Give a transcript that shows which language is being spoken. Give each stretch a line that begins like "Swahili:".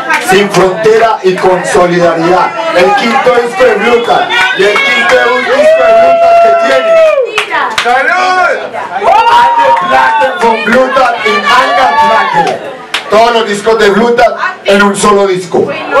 Spanish: Sin frontera y con solidaridad. El quinto disco de Blutat y el quinto disco de Blutat que tiene. ¡Salud!
German: Alle Platten von Blutat in einer Platte.
Spanish: Todos los discos de Blutat en un solo disco.